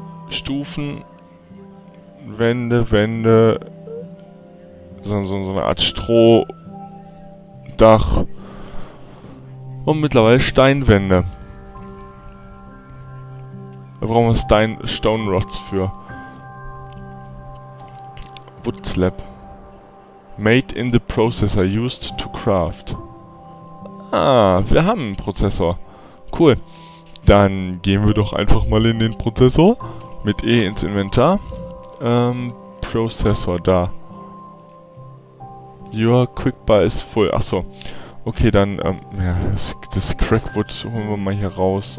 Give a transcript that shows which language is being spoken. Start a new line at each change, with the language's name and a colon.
German: Stufen, Wände. So eine Art Stroh, Dach. Und mittlerweile Steinwände. Da brauchen wir Stone Rods für. Wood Slab.
English: Made in the processor, used to craft.
German: Ah, wir haben einen Prozessor. Cool. Dann gehen wir doch einfach mal in den Prozessor. Mit E ins Inventar. Prozessor, da.
English: Your quick bar is full. Achso.
German: Okay, dann, ja, das Crackwood holen wir mal hier raus.